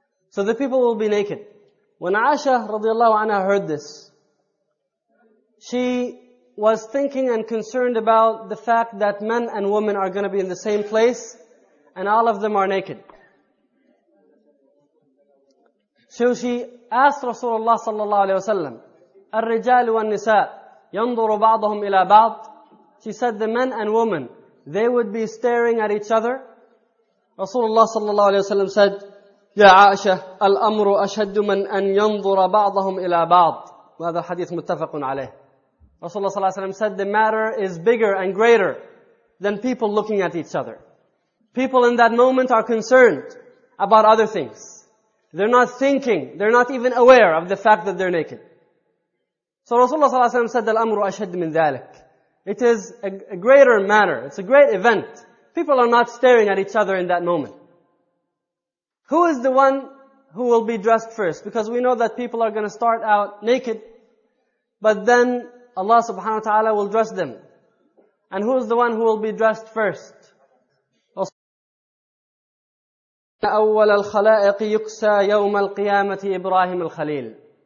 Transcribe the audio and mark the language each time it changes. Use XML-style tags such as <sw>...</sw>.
<en>So the people will be naked. When Aisha radiallahu anha heard this, she was thinking and concerned about the fact that men and women are going to be in the same place and all of them are naked. So she asked Rasulullah sallallahu alayhi wa sallam,</en> <ar>الرجال والنساء ينظر بعضهم إلى بعض.</ar> <en>She said the men and women, they would be staring at each other.</en> <ar>Rasulullah sallallahu alayhi wa sallam said, يا عائشة الأمر أشد من أن ينظر بعضهم إلى بعض. وهذا الحديث متفق عليه.</ar> <en>Rasulullah sallallahu alayhi wa sallam said, the matter is bigger and greater than people looking at each other. People in that moment are concerned about other things. They're not thinking, they're not even aware of the fact that they're naked. So Rasulullah sallallahu alayhi wa sallam said,</en> <ar>al-amru ashad min dhalik.</ar> <en>It is a greater matter, it's a great event. People are not staring at each other in that moment. Who is the one who will be dressed first? Because we know that people are going to start out naked, but then Allah subhanahu wa ta'ala will dress them. And who is the one who will be dressed first?</en> <ar>أول الخلائق يكسى يوم القيامة إبراهيم الخليل.</ar>